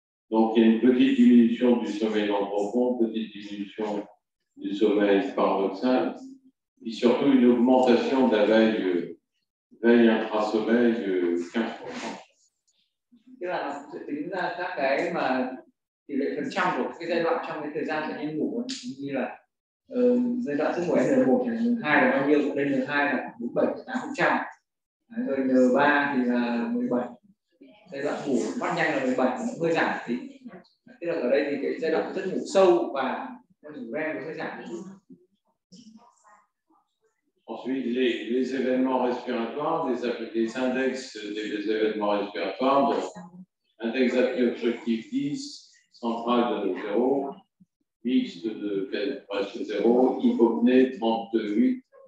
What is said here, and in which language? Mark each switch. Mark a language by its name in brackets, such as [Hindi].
[French] Donc il y a une petite diminution du sommeil non profond, petite diminution du sommeil paradoxal, et surtout une augmentation de la veille intra-sommeil de 15%. [Vietnamese] Tỷ lệ phần trăm của cái giai đoạn trong cái thời gian bệnh nhân ngủ như là giai đoạn giấc ngủ N1 là N2 là bao nhiêu, lên N2 là 47-8%, rồi N3 thì là 17, giai đoạn ngủ mắt nhanh là 17, hơi giảm tí, tức là ở đây thì cái giai đoạn giấc ngủ sâu và ngủ REM nó hơi giảm. [French] Ensuite, les événements respiratoires, les index des événements respiratoires, donc index apnée obstructive 10, centrale de 0, mixte de presque 0, hypopnée 38.